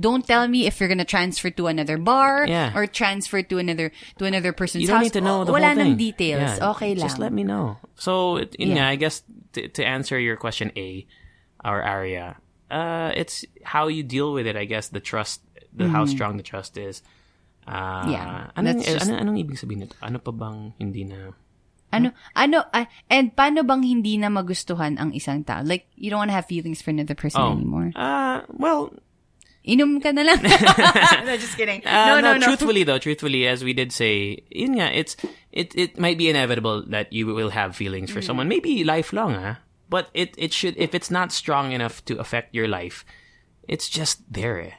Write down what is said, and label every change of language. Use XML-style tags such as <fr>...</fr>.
<en>Don't tell me if you're gonna transfer to another bar or transfer to another person's house. You don't need to know the whole thing.</en> <tl>Wala nang</tl> <en>details. Yeah. Okay lang. Just let me know. So, I guess to answer your question, A, our area. it's how you deal with it, I guess, the trust, the how strong the trust is.</en> <tl>Yeah. Anong ibig sabihin nito? Ano pa bang hindi na... And paano bang hindi na magustuhan ang isang tao?</tl> <en>Like, you don't want to have feelings for another person anymore. Well...</en> <tl>Inum ka na lang.</tl> <en>No, just kidding. No. Truthfully, as we did say,</en> <tl>yun nga,</tl> <en>it might be inevitable that you will have feelings for someone. Maybe lifelong, huh? But it should, if it's not strong enough to affect your life, it's just there.</en>